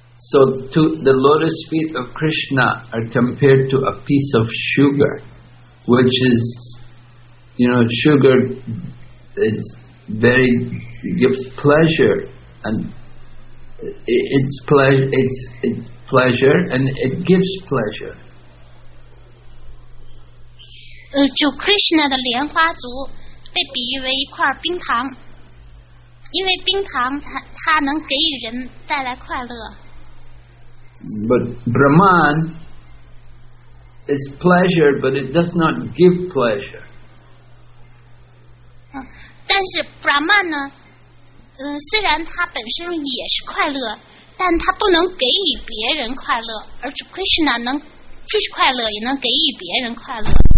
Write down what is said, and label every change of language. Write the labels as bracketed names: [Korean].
[English] So to the lotus feet of Krishna are compared to a piece of sugar, which is, you know, sugar is very gives pleasure and it's pleasure and it gives pleasure. [Chinese] 主 Krishna 的莲花足。被比喻为一块冰糖，因为冰糖它能给予人带来快乐。 [English] But Brahman is pleasure, but it does not give pleasure. [Chinese] 但是 Brahman 呢，虽然它本身也是快乐，但它不能给予别人快乐，而 Krishna 能既是快乐，也能给予别人快乐。